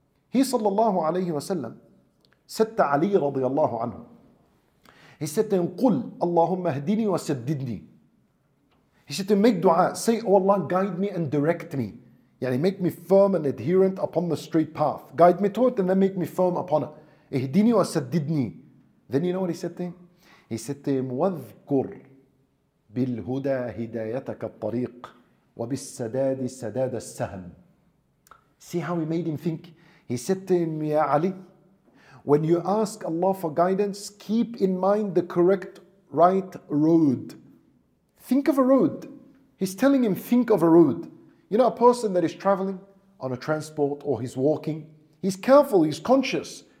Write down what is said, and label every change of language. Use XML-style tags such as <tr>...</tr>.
<en>He sallallahu alayhi wasallam said to Ali radiallahu anhu, he said to him,</en> <ar>قُلْ اللَّهُمَّ هَدِينِي وَسَدِّدْنِي.</ar> <en>He said to him, make dua, say, oh Allah, guide me and direct me. Yani make me firm and adherent upon the straight path. Guide me to it and then make me firm upon it.</en> <ar>اهديني وسددني.</ar> <en>Then you know what he said to him? He said to him,</en> <ar>واذكر بالهدى هدايتك الطريق وبالسداد سداد السهم.</ar> <en>See how he made him think? He said to him,</en> <ar>يا علي,</ar> <en>when you ask Allah for guidance, keep in mind the correct, right road. Think of a road. He's telling him, think of a road. You know, a person that is traveling on a transport or he's walking, he's careful, he's conscious.</en>